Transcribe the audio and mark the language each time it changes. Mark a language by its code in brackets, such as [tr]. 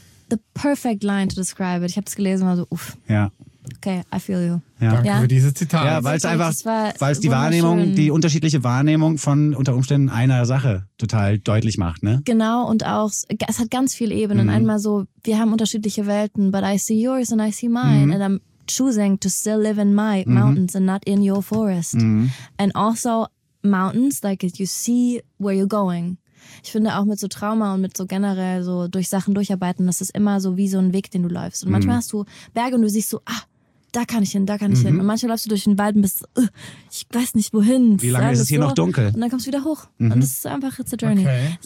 [en] the perfect line to describe it. [de] Ich habe es gelesen und war so, uff. Ja. [en] Okay, I feel you. [de] Ja. Danke für dieses Zitat. Ja, weil es einfach, weil es die Wahrnehmung, die unterschiedliche Wahrnehmung von unter Umständen einer Sache total deutlich macht, ne? Genau, und auch, es hat ganz viele Ebenen. Mhm. Einmal so, wir haben unterschiedliche Welten, [en] but I see yours and I see mine. Mhm. And I'm choosing to still live in my mountains and not in your forest. Mhm. And also mountains, like you see where you're going. [de] Ich finde auch mit so Trauma und mit so generell so durch Sachen durcharbeiten, das ist immer so wie so ein Weg, den du läufst. Und manchmal hast du Berge und du siehst so, ah, da kann ich hin, da kann ich hin. Und manchmal läufst du durch den Wald und bist, ich weiß nicht wohin. Wie lange ist es hier noch dunkel? Und dann kommst du wieder hoch. Mhm. Und das ist einfach, [en] it's a journey. Okay.